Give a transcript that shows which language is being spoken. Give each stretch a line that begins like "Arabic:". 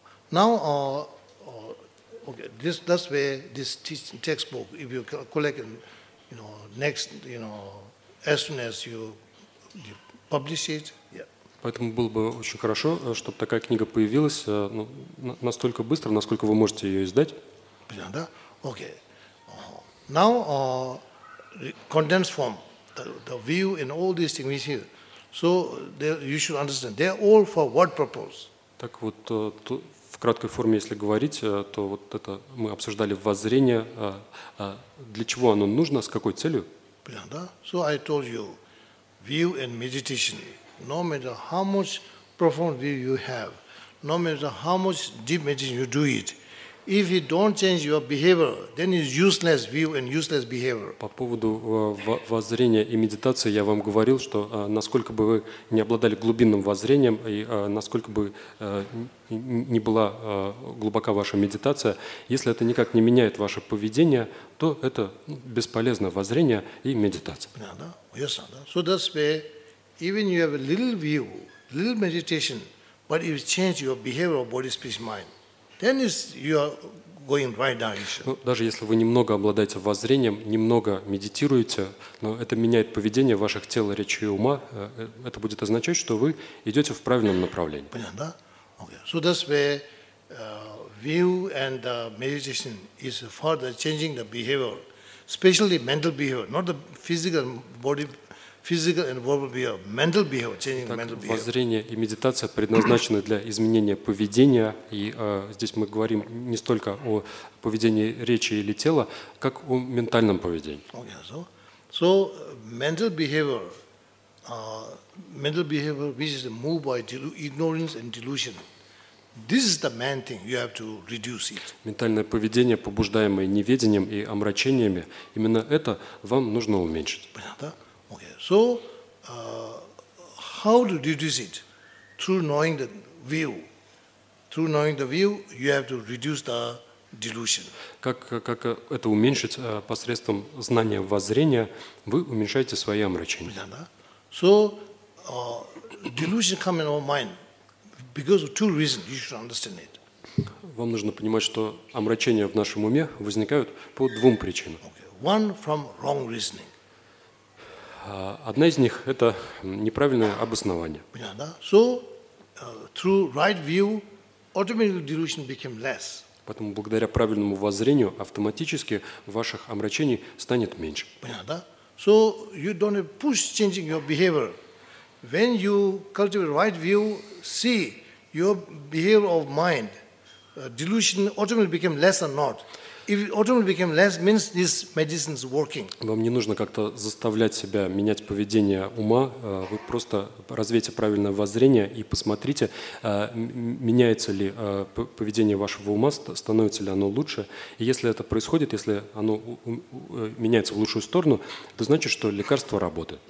English: Now, okay, that's where this textbook, if you collect, you know, next, you know, as soon as you publish it, yeah.
Russian: Поэтому было бы очень хорошо, чтобы такая книга появилась настолько быстро, насколько вы можете ее издать.
English: Yeah,
Russian: да?
English: Okay. Now, condensed form, the view and all these things we see. So, you should understand, they're all for what purpose?
Russian: Так вот, в краткой форме, если говорить, то вот это мы обсуждали воззрение, для чего оно нужно, с какой целью. Понятно?
English: So I told you, view and meditation, no matter how much profound view you have, no matter how much deep meditation you do it, if you don't change your behavior, then it's useless view and useless behavior.
Russian: По поводу воззрения и медитации я вам говорил, что насколько бы вы не обладали глубинным воззрением и насколько бы не была глубока ваша медитация, если это никак не меняет ваше поведение, то это бесполезное воззрение и медитация. Понятно?
English: Yes,
Russian: да.
English: So that's where even you have a little view, little meditation, but if you change your behavior, body, speech, mind, then is you are going right direction.
Russian: Ну, даже если вы немного обладаете воззрением, немного медитируете, но это меняет поведение ваших тел, речи и ума, это будет означать, что вы идете в правильном направлении. Понятно, да?
English: Okay. So that's where view and meditation is for the changing the behavior, especially mental behavior, not the physical body. Physical and verbal behavior, mental behavior, changing
Russian: так,
English: mental behavior.
Russian: Воззрение и медитация предназначены для изменения поведения, и здесь мы говорим не столько о поведении речи или тела, как о ментальном поведении.
English: Okay, so mental behavior, which is moved by ignorance and delusion. This is the main thing. You have to reduce it.
Russian: Ментальное поведение, побуждаемое неведением и омрачениями, именно это вам нужно уменьшить. Понятно?
English: Okay, so how to reduce it? Through knowing the view. Through knowing the view, you have to reduce the delusion.
Russian: Как это уменьшить посредством знания воззрения? Вы уменьшаете свои омрачения.
English: Yeah,
Russian: да?
English: So delusion comes in our mind because of two reasons. You should understand it.
Russian: Вам нужно понимать, что омрачения в нашем уме возникают по двум причинам.
English: Okay. One from wrong reasoning.
Russian: Одна из них – это неправильное обоснование.
English: So, through right view, automatically delusion became less.
Russian: Поэтому благодаря правильному воззрению автоматически ваших омрачений станет меньше. Понятно?
English: So, you don't have to push changing your behavior. When you cultivate right view, see your behavior of mind, delusion automatically became less or not. if autonomy became less, means these medicines working.
Russian: Вам не нужно как-то заставлять себя менять поведение ума. Вы просто развейте правильное воззрение и посмотрите, меняется ли поведение вашего ума, становится ли оно лучше. И если это происходит, если оно меняется в лучшую сторону, это значит, что лекарство работает.